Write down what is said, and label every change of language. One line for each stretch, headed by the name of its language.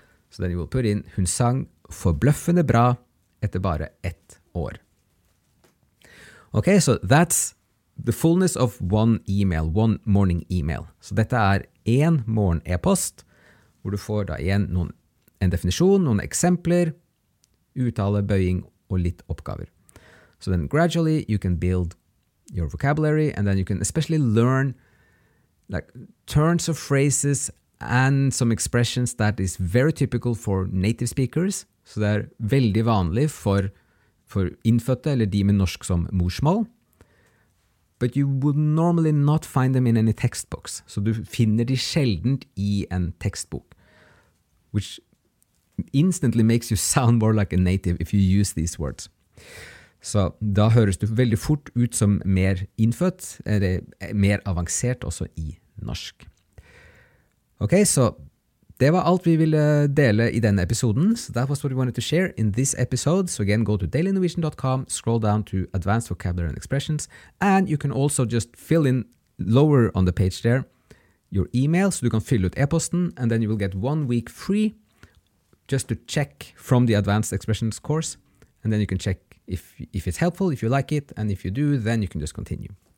English: So then you will put in
Norwegian: hun sang forbløffende bra etter bare ett år.
English: Okay, so that's the fullness of one email, one morning email.
Norwegian: Så dette en morgen e-post, hvor du får da igjen en definisjon, noen eksempler, uttale, bøying og litt oppgaver.
English: So then gradually you can build your vocabulary, and then you can especially learn like turns of phrases and some expressions that is very typical for native speakers.
Norwegian: Så det veldig vanlig for innfødte, eller de med norsk som morsmål.
English: But you would normally not find them in any textbooks.
Norwegian: Så du finner de sjeldent i en textbook,
English: which instantly makes you sound more like a native if you use these words.
Norwegian: Så da høres du veldig fort ut som mer innfødt, eller mer avansert også i norsk. Ok, så det var alt vi ville dele i denne episoden.
English: So that was what we wanted to share in this episode. So again, go to dailynorwegian.com, scroll down to advanced vocabulary and expressions, and you can also just fill in lower on the page there your email,
Norwegian: so du kan fylle ut e-posten,
English: and then you will get 1 week free just to check from the advanced expressions course, and then you can check if it's helpful, if you like it, and if you do, then you can just continue.